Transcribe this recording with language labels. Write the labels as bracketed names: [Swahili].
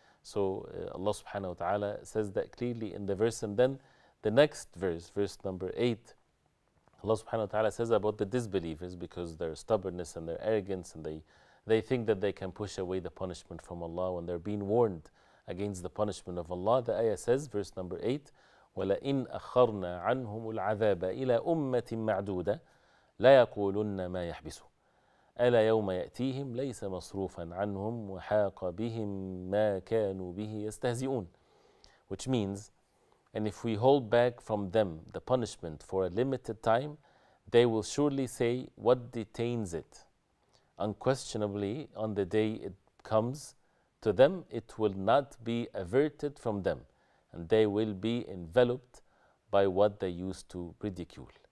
[English] So Allah subhanahu wa ta'ala says that clearly in the verse. And then the next verse, verse number 8, Allah subhanahu wa ta'ala says about the disbelievers, because their stubbornness and their arrogance, and they think that they can push away the punishment from Allah when they're being warned against the punishment of Allah. [Arabic] The ayah says, verse number 8, وَلَئِنْ أَخَّرْنَا عَنْهُمُ الْعَذَابَ إِلَىٰ أُمَّةٍ مَعْدُودَةٍ لَيَقُولُنَّ مَا يَحْبِسُ أَلَا يَوْمَ يَأْتِيهِمْ لَيْسَ مَصْرُوفًا عَنْهُمْ وَحَاقَ بِهِمْ مَا كَانُوا بِهِ يَسْتَهْزِئُونَ. [English] Which means, and if we hold back from them the punishment for a limited time, they will surely say, what detains it? Unquestionably, on the day it comes to them, it will not be averted from them, and they will be enveloped by what they used to ridicule.